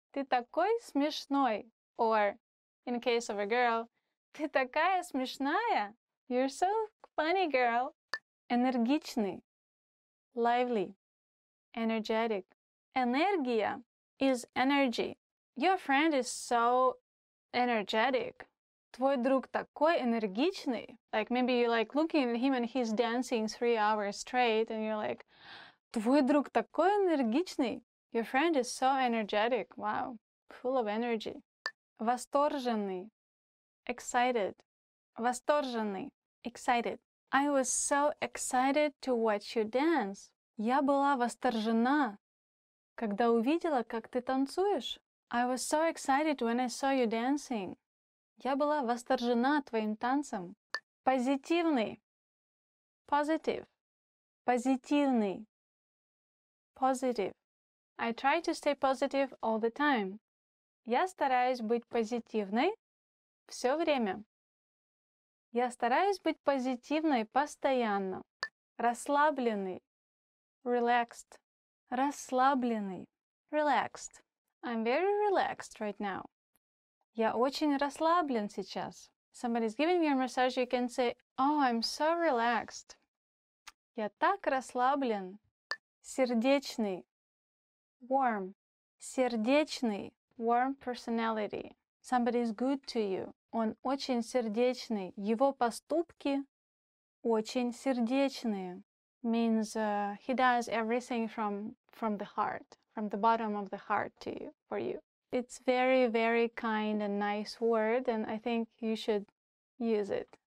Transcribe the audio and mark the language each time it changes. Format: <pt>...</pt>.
<ru>Ты такой смешной.</ru> <en>Or, in case of a girl,</en> <ru>ты такая смешная.</ru> <en>You're so funny, girl.</en> <ru>Энергичный.</ru> <en>Lively. Energetic. Энергия is energy. Your friend is so energetic.</en> <ru>Твой друг такой энергичный.</ru> <en>Like maybe you're like looking at him and he's dancing 3 hours straight and you're like,</en> <ru>твой друг такой энергичный.</ru> <en>Your friend is so energetic. Wow. Full of energy.</en> <ru>Восторженный.</ru> <en>Excited.</en> <ru>Восторженный.</ru> <en>Excited. I was so excited to watch you dance.</en> <ru>Я была восторжена, когда увидела, как ты танцуешь.</ru> <en>I was so excited when I saw you dancing.</en> <ru>Я была восторжена твоим танцем. Позитивный.</ru> <en>Positive.</en> <ru>Позитивный.</ru> <en>Positive. I try to stay positive all the time.</en> <ru>Я стараюсь быть позитивной все время. Я стараюсь быть позитивной постоянно. Расслабленный.</ru> <en>Relaxed.</en> <ru>Расслабленный.</ru> <en>Relaxed. I'm very relaxed right now.</en> <ru>Я очень расслаблен сейчас.</ru> <en>Somebody's giving you a massage, you can say, oh, I'm so relaxed.</en> <ru>Я так расслаблен. Сердечный.</ru> <en>Warm.</en> <ru>Сердечный.</ru> <en>Warm personality. Somebody is good to you.</en> <ru>Он очень сердечный. Его поступки очень сердечные.</ru> <en>Means he does everything from the heart, from the bottom of the heart to you, for you. It's very, very kind and nice word, and I think you should use it.</en>